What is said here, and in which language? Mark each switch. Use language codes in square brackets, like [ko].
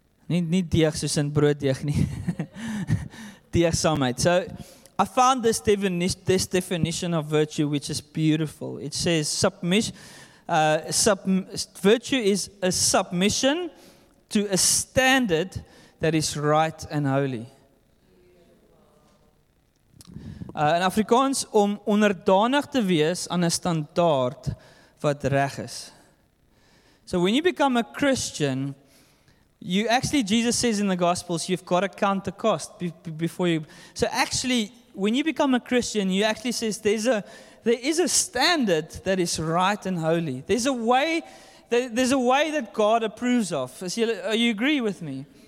[af] Nie deeg soos in brood deeg nie. Deegsaamheid. [en] So I found this definition of virtue, which is beautiful. It says virtue is a submission to a standard that is right and holy. [af] In Afrikaans, om onderdanig te wees aan 'n standaard wat reg is. [en] So when you become a Christian, you actually, Jesus says in the Gospels, you've got to count the cost before you. So actually, when you become a Christian, you actually says there is a standard that is right and holy. There's a way that God approves of. You agree with me?